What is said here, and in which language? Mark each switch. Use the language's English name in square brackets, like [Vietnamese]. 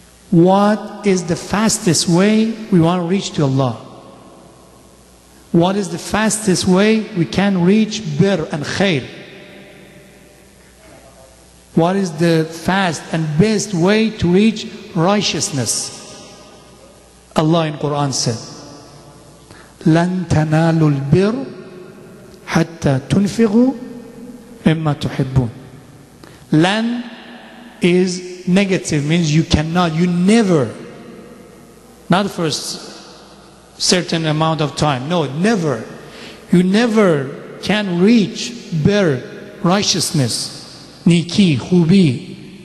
[English] What is the fastest way we want to reach to Allah? What is the fastest way we can reach bir and khair? What is the fast and best way to reach righteousness? Allah in Quran said, [Arabic] لَن تَنَالُوا الْبِرُ حَتَّى تُنْفِغُوا مِمَّا تُحِبُّونَ. [English] لَن is negative, means you cannot, you never, not for a certain amount of time, no, never, you never can reach bir, righteousness, niki, khubi.